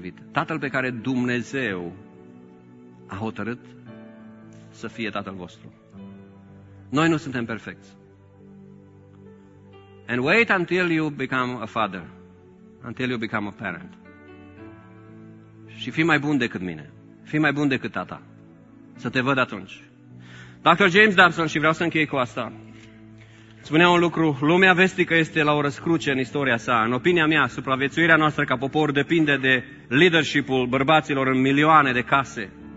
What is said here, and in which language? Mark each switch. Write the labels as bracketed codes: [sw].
[ro] Tatăl pe care Dumnezeu a hotărât să fie tatăl vostru. Noi nu suntem perfecți. [en] And wait until you become a father, until you become a parent. [ro] Și fii mai bun decât mine, fii mai bun decât tata, să te văd atunci. Dr. James Dobson, și vreau să închei cu asta, spunea un lucru, lumea vestică este la o răscruce în istoria sa. În opinia mea, supraviețuirea noastră ca popor depinde de leadership-ul bărbaților în milioane de case.